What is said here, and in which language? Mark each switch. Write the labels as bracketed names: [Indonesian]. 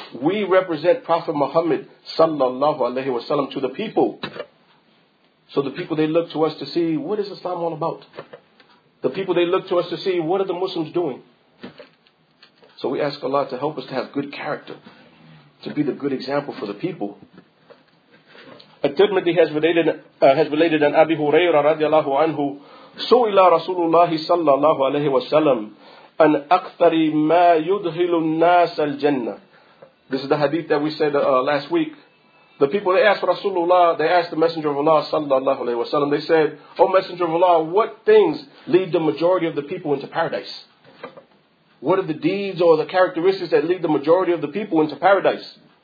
[English] We represent Prophet Muhammad sallallahu alayhi wa sallam to the people. So the people, they look to us to see, what is Islam all about? The people, they look to us to see, what are the Muslims doing? So we ask Allah to help us to have good character, to be the good example for the people. At-Tirmidhi has related an Abi Hurairah radiallahu anhu, [Arabic] سُئِلَ رَسُولُ اللَّهِ صَلَّى اللَّهُ عَلَيْهِ وَسَلَّمُ أَنْ أَكْثَرِ مَا يُدْهِلُ النَّاسَ الْجَنَّةِ. [English] This is the hadith that we said last week. The people, they asked Rasulullah, they asked the Messenger of Allah sallallahu alayhi wa sallam, they said, O Messenger of Allah, what things lead the majority of the people into paradise? What are the deeds or the characteristics that lead the majority of the people into paradise?